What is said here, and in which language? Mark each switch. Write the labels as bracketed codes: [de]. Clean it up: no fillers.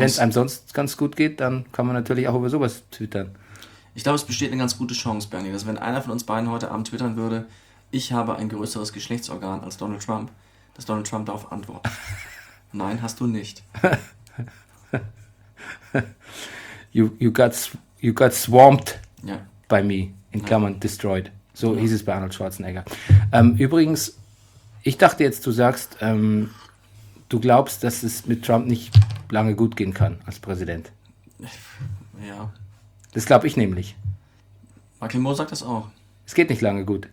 [de] Wenn es einem sonst ganz gut geht, dann kann man natürlich auch über sowas twittern. Ich glaube, es besteht eine ganz gute Chance, Bernie, dass wenn einer von uns beiden heute Abend twittern würde: Ich habe ein größeres Geschlechtsorgan als Donald Trump, dass Donald Trump darauf antwortet: Nein, hast du nicht. [en] you got swamped by me, [de] in Klammern [en] destroyed. [de] So hieß es bei Arnold Schwarzenegger. Übrigens, ich dachte jetzt, du sagst... Du glaubst, dass es mit Trump nicht lange gut gehen kann als Präsident? Ja. Das glaube ich nämlich. Michael Moore sagt das auch. Es geht nicht lange gut.